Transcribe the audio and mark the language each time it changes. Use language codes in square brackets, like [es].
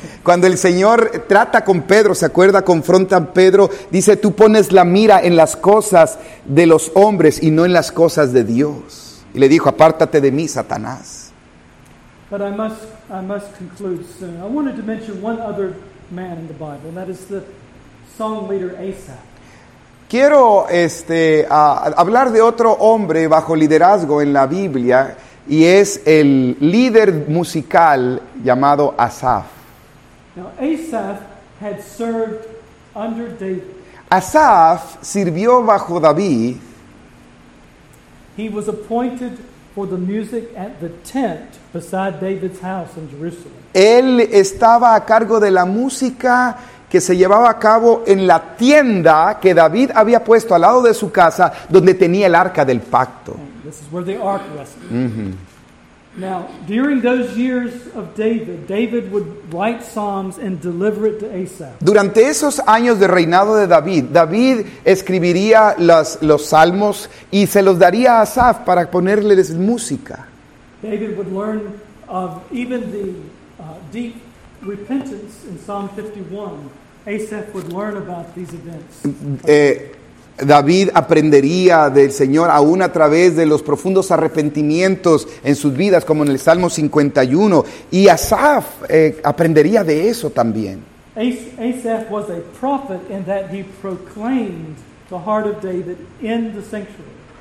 [es] Cuando el Señor trata con Pedro, se acuerda, confronta a Pedro, dice, tú pones la mira en las cosas de los hombres y no en las cosas de Dios. Y le dijo, apártate de mí, Satanás. [en] But I must conclude soon. I wanted to mention one other man in the Bible, and that is the song leader Asaph. [es] Quiero hablar de otro hombre bajo liderazgo en la Biblia y es el líder musical llamado Asaph. [en] Now, Asaph had served under David. [es] Asaph sirvió bajo David. [en] He was appointed for the music at the tent beside David's house in Jerusalem. [es] Él estaba a cargo de la música que se llevaba a cabo en la tienda que David había puesto al lado de su casa, donde tenía el arca del pacto. [en] This is where the ark rested. Mm-hmm. Now, during those years of David, David would write psalms and deliver it to Asaph. [es] Durante esos años de reinado de David, David escribiría los salmos y se los daría a Asaph para ponerles música. [en] David would learn of even the deep repentance in Psalm 51. Asaph would learn about these events. [es] David aprendería del Señor aún a través de los profundos arrepentimientos en sus vidas, como en el Salmo 51. Y Asaph aprendería de eso también. [en] Asaph was a prophet in that he proclaimed the heart of David in the sanctuary.